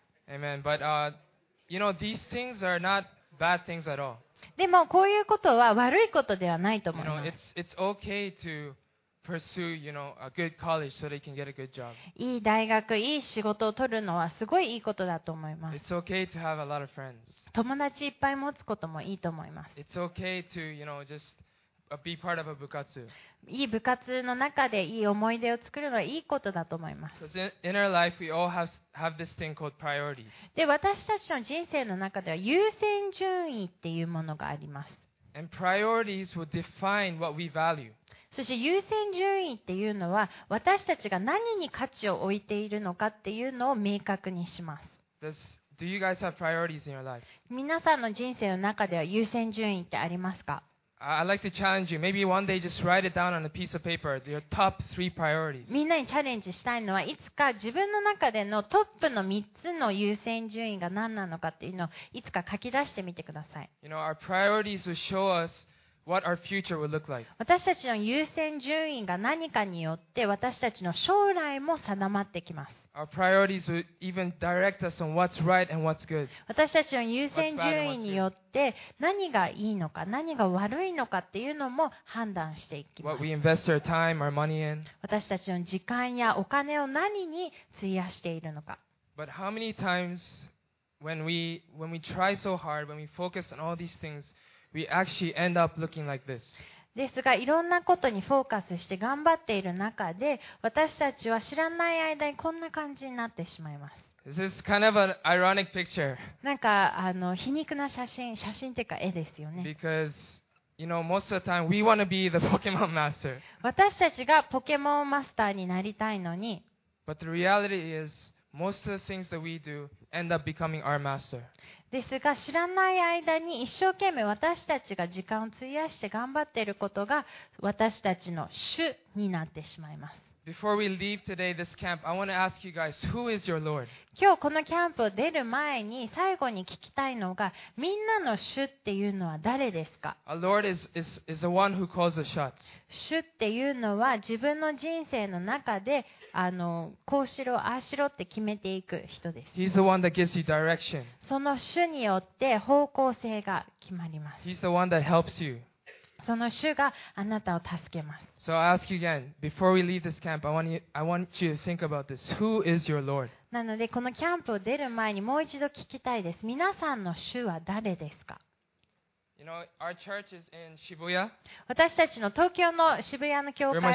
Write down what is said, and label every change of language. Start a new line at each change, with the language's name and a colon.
English: Amen. But, you know, these things are not bad things at all.
Japanese: でもこういうことは悪いことではないと思います。
English: You know, it's okay to pursue, you know, a good college so they can get a good job.
Japanese: いい大学、いい仕事を取るのはすごいいいことだと思います。
English: It's okay to have a lot of friends.
Japanese: 友達いっぱい持つこともいいと思います。
English: It's okay to, you know, just be part of a 部活。
Japanese: いい部活の中でいい思い出を作るのはいいことだと思います。
English: Because in our life, we all have this thing called priorities.
Japanese: で、私たちの人生の中では優先順位っていうものがあります。
English: And priorities will define what we value.
Japanese: そして優先順位っていうのは私たちが何に価値を置いているのかっていうのを明確にします。
English: Do you guys have priorities in your life?
Japanese: 皆さんの人生の中では優先順位ってありますか？
English: I'd like to challenge you. Maybe one day just write it down on a piece of paper. Your top three priorities.
Japanese: みんなにチャレンジしたいのは、いつか自分の中でのトップの3つの優先順位が何なのかっていうのをいつか書き出してみてください。
English: You know, our priorities will show us what our future will look like.
Japanese: 私たちの優先順位が何かによって私たちの将来も定まってきます。
English: Our priorities will even direct us on what's right and what's good.
Japanese: 私たちの優先順位によって何がいいのか何が悪いのかっていうのも判断していきます。
English: What we invest our time, our money in.
Japanese: 私たちの時間やお金を何に費やしているのか。
English: But how many times when we try so hard, when we focus on all these things, we actually end up looking like this.
Japanese: ですが、いろんなことにフォーカスして頑張っている中で、私たちは知らない間にこんな感じになってしまいます。
English: This is kind of an ironic picture.
Japanese: なんか皮肉な写真というか絵ですよね。
English: Because, you know, most of the time we want to be the Pokemon Master.
Japanese: 私たちがポケモンマスターになりたいのに。
English: But the reality is, most of the things that we do end up becoming our master.
Japanese: ですが知らない間に一生懸命私たちが時間を費やして頑張っていることが私たちの主になってしまいます。
English: Before we leave today this camp, I want to ask you guys, who is your Lord?
Japanese: 今日このキャンプを出る前に最後に聞きたいのがみんなの主っていうのは誰ですか?
English: A Lord is the one who calls the shots.
Japanese: 主っていうのは自分の人生の中でこうしろ、ああしろって決めていく人です。
English: He's the one that gives you direction.
Japanese: その主によって方向性が決まります。
English: He's the one that helps you.
Japanese: その主があなたを助けます。
English: So I ask you again, before we leave this camp, I want you to think about this. Who is your Lord?
Japanese: なので、このキャンプを出る前にもう一度聞きたいです。皆さんの主は誰ですか?
English: You know, our church is in Shibuya.
Japanese: 私たちの東京の渋谷の教会は